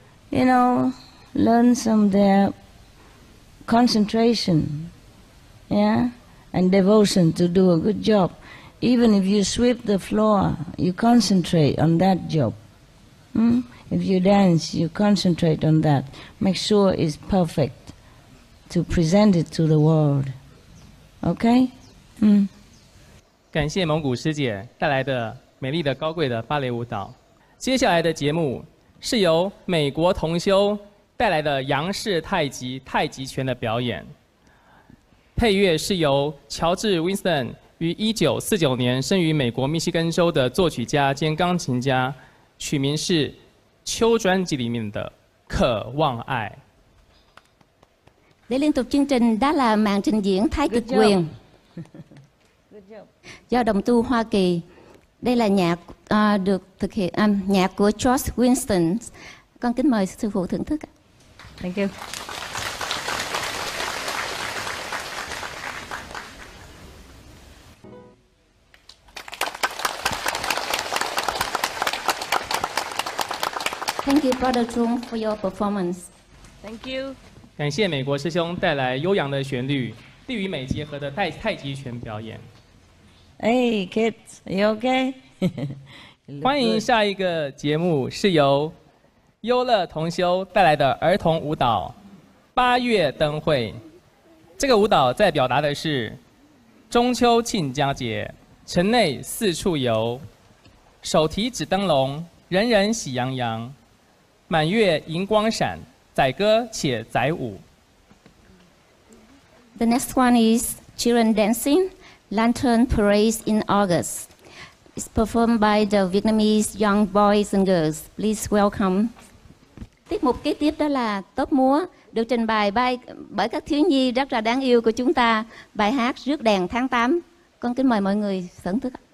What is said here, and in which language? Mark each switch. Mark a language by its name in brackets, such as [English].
[English] You know, learn some their concentration, yeah, and devotion to do a good job. Even if you sweep the floor, you concentrate on that job. If you dance, you concentrate on that. Make sure it's perfect to present it to the world. Okay? [Chinese] 感谢蒙古师姐带来的美丽的高贵的芭蕾舞蹈。接下来的节目是由美国同修带来的杨氏太极太极拳的表演。配乐是由乔治·温斯顿于1949年生于美国密西根州的作曲家兼钢琴家，取名是《秋》专辑里面的《渴望爱》。 [Vietnamese] Để liên tục chương trình đó là màn trình diễn Thái Cực Quyền do đồng tu Hoa Kỳ. Đây là nhạc được thực hiện nhạc của George Winston. Con kính mời sư phụ thưởng thức. [English] Thank you. Thank you, Brother Chung, for your performance. Thank you. [Chinese] 感谢美国师兄带来悠扬的旋律，地与美结合的太极拳表演。 [English] Hey, kids, are you okay? [Chinese] 欢迎下一个节目是由优乐同修带来的儿童舞蹈《八月灯会》。这个舞蹈在表达的是中秋庆佳节，城内四处游，手提纸灯笼，人人喜洋洋，满月银光闪。载歌且载舞。 [English] The next one is Children Dancing Lantern Parade in August. It's performed by the Vietnamese young boys and girls. Please welcome. [Vietnamese] Tiết mục kế tiếp đó là tốp múa được trình bày bởi các thiếu nhi rất là đáng yêu của chúng ta. Bài hát Rước Đèn Tháng Tám. Con kính mời mọi người thưởng thức.